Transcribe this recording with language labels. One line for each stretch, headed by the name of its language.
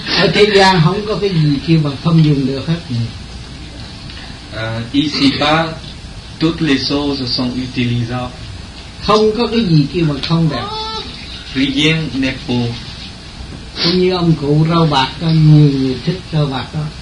Vietnamese: ở thế gian không có cái gì kêu bằng không dùng được hết.
French: Ici bas, toutes les choses sont utilisables.
Vietnamese: Không có cái gì kêu bằng không được.
French: Rien n'est faux.
Vietnamese: Cũng như ông cụ râu bạc đó, nhiều người thích râu bạc đó.